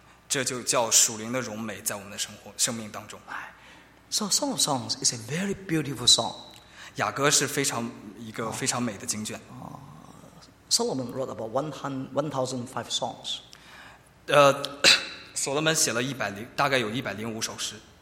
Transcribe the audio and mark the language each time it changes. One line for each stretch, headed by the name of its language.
Chinese: 这就叫属灵的荣美在我们的生命当中。
English: So Song of Songs is a very beautiful song.
Chinese: 雅歌是非常一个非常美的经卷。
English: Solomon wrote about 1,005 songs.
Chinese: 所罗门写了大概有105首诗。